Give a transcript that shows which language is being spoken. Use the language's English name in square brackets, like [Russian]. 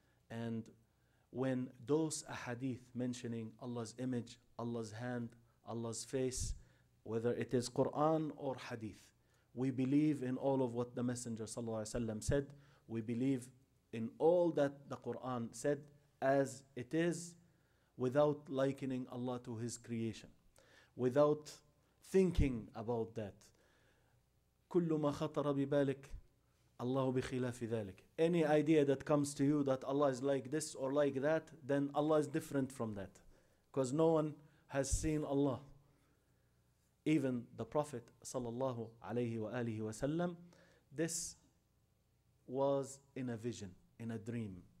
[English] And when those ahadith mentioning Allah's image, Allah's hand, Allah's face, whether it is Quran or hadith, we believe in all of what the Messenger sallallahu alaihi wasallam said. We believe in all that the Quran said as it is, without likening Allah to his creation, without thinking about that. [Arabic] كل ما خطر ببالك الله بخلاف ذلك. [English] Any idea that comes to you that Allah is like this or like that, then Allah is different from that, because no one has seen Allah. Even the Prophet sallallahu alayhi wa alihi wa sallam, this was in a vision, in a dream.